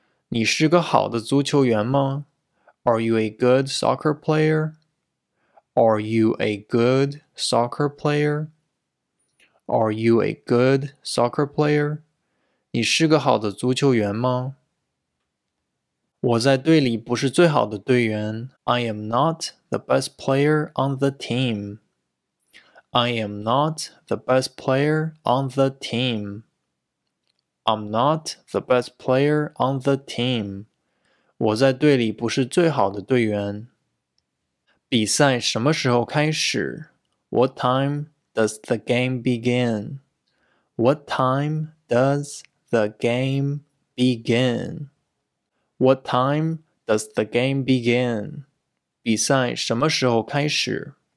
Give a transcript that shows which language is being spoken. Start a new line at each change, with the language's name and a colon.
Chinese: 你是个好的足球员吗？
English: Are you a good soccer player? Are you a good soccer player? Are you a good soccer player?
Chinese: 你是个好的足球员吗？我在队里不是最好的队员。
English: I am not the best player on the team. I am not the best player on the team. I'm not the best player on the team.
Chinese: 我在队里不是最好的队员。比赛什么时候开始？
English: What time does the game begin? What time does the game begin? What time does the game begin?
Chinese: 比赛什么时候开始？